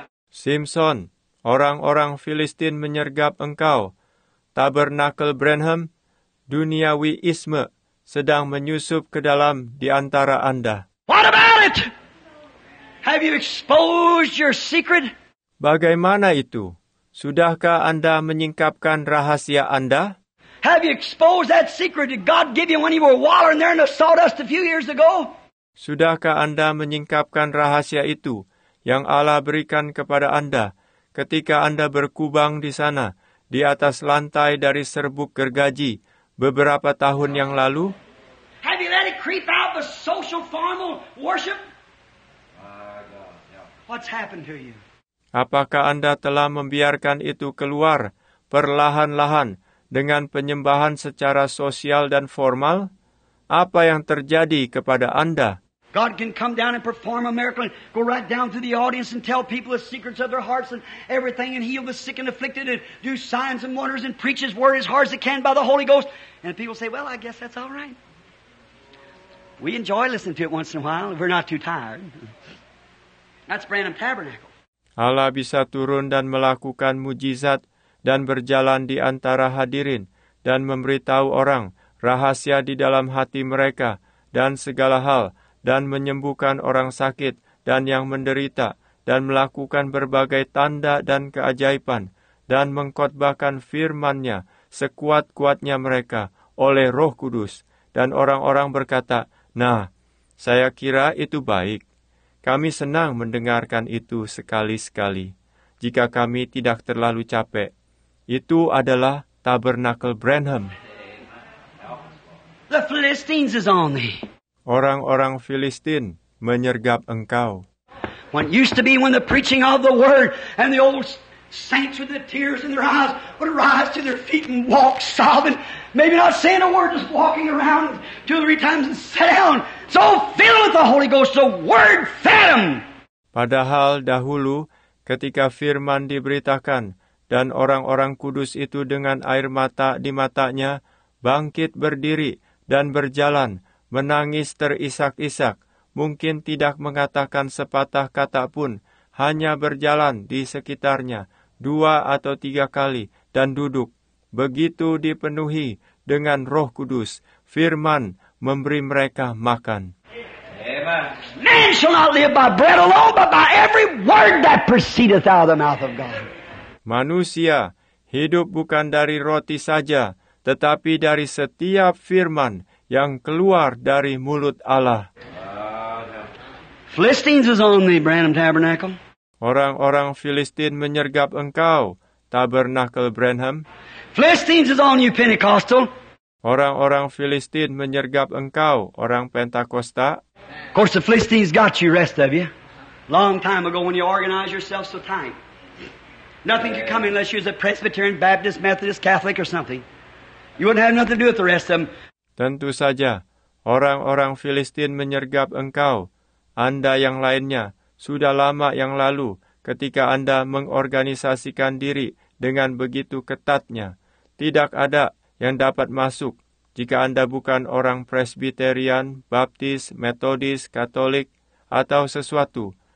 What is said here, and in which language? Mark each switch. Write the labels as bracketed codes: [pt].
[id] Simpson, orang-orang Filistin menyergap engkau. Tabernacle Branham, duniawiisme sedang menyusup ke dalam di antara Anda. [en] What about it? Have you exposed your secret? [id] Bagaimana itu? Sudahkah Anda menyingkapkan rahasia Anda? [en] Have you exposed that secret that God gave you when you were wallowing there in the sawdust a few years ago? [id] Sudahkah Anda menyingkapkan rahasia itu yang Allah berikan kepada Anda ketika Anda berkubang di sana, di atas lantai dari serbuk gergaji beberapa tahun yang lalu? [en] Have you let it creep out the social formal worship? What's happened to you? [id] Apakah Anda telah membiarkan itu keluar perlahan-lahan dengan penyembahan secara sosial dan formal? Apa yang terjadi kepada Anda? [en] God can come down and perform a miracle and go right down to the audience and tell people the secrets of their hearts and everything and heal the sick and afflicted and do signs and wonders and preach His word as hard as He can by the Holy Ghost. And people say, well, I guess that's all right. We enjoy listening to it once in a while. We're not too tired. That's Branham Tabernacle. [id] Allah bisa turun dan melakukan mujizat dan berjalan di antara hadirin dan memberitahu orang rahasia di dalam hati mereka dan segala hal dan menyembuhkan orang sakit dan yang menderita dan melakukan berbagai tanda dan keajaiban dan mengkhotbahkan firman-Nya sekuat-kuatnya mereka oleh Roh Kudus. Dan orang-orang berkata, nah, saya kira itu baik. Kami senang mendengarkan itu sekali-sekali, jika kami tidak terlalu capek. Itu adalah Tabernacle Branham. [en] The Philistines is on thee. [id] Orang-orang Filistin menyergap engkau. [en] What used to be when the preaching of the word and the old saints with the tears in their eyes would rise to their feet and walk sobbing, maybe not saying a word, just walking around two or three times and sit down. So filled with the Holy Ghost, the word fed them. [id] Padahal dahulu, ketika firman diberitakan, dan orang-orang kudus itu dengan air mata di matanya, bangkit berdiri dan berjalan, menangis terisak-isak, mungkin tidak mengatakan sepatah kata pun, hanya berjalan di sekitarnya dua atau tiga kali dan duduk. Begitu dipenuhi dengan Roh Kudus, firman memberi mereka makan. [en] Man shall not live by bread alone, but by every word that proceedeth out of the mouth of God. [id] Manusia hidup bukan dari roti saja, tetapi dari setiap firman yang keluar dari mulut Allah. [en] Philistines is on the Branham Tabernacle. [id] Orang-orang Filistin menyergap engkau, Tabernacle Branham. [en] Philistines is on you, Pentecostal. [id] Orang-orang Filistin menyergap engkau, orang Pentakosta. [en] Of course, the Philistines got you, rest of you. Long time ago, when you organized yourself so tight, nothing could come unless you was a Presbyterian, Baptist, Methodist, Catholic, or something. You wouldn't have nothing to do with the rest of them. [id] Tentu saja, orang-orang Filistin menyergap engkau, Anda yang lainnya, sudah lama yang lalu, ketika Anda mengorganisasikan diri dengan begitu ketatnya. Tidak ada yang dapat masuk, jika Anda bukan orang Presbyterian, Baptist, Methodist, Katolik, atau sesuatu.